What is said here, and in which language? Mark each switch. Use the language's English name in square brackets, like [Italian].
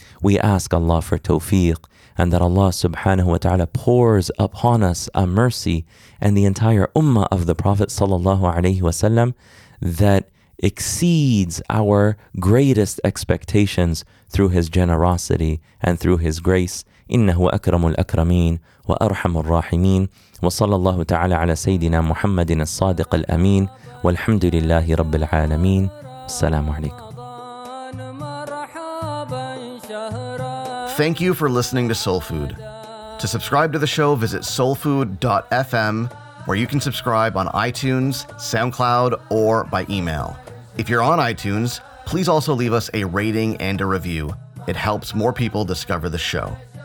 [English] We ask Allah for tawfiq and that Allah subhanahu wa ta'ala pours upon us a mercy and the entire ummah of the Prophet sallallahu alayhi wa sallam that exceeds our greatest expectations through his generosity and through his grace. [Arabic] إنه أكرم الأكرمين وأرحم الراحمين وصلى الله تعالى على سيدنا محمد الصادق الأمين والحمد لله رب العالمين السلام عليكم. [English] Thank you for listening to Soul Food. To subscribe to the show, visit soulfood.fm, where you can subscribe on iTunes, SoundCloud, or by email. If you're on iTunes, please also leave us a rating and a review. It helps more people discover the show.